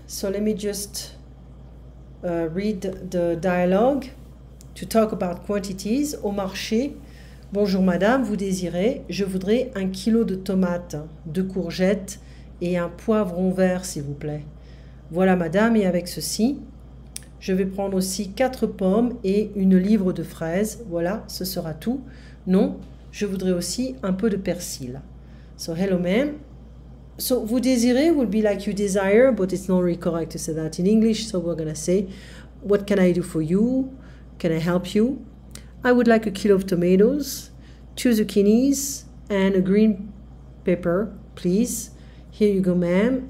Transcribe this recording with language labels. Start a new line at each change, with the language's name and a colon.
English: So let me just read the dialogue to talk about quantities
French: au marché. Bonjour madame, vous désirez? Je voudrais 1 kg de tomates, 2 courgettes et un poivron vert, s'il vous plaît. Voilà madame, et avec ceci, je vais prendre aussi 4 pommes et 1 livre de fraises. Voilà, ce sera tout. Non, je voudrais aussi un peu de persil.
English: So hello ma'am. So,
French: vous désirez
English: would be like you desire, but it's not really correct to say that in English. So, we're going to say, what can I do for you? Can I help you? I would like 1 kg of tomatoes, 2 zucchinis, and a green pepper, please. Here you go, ma'am.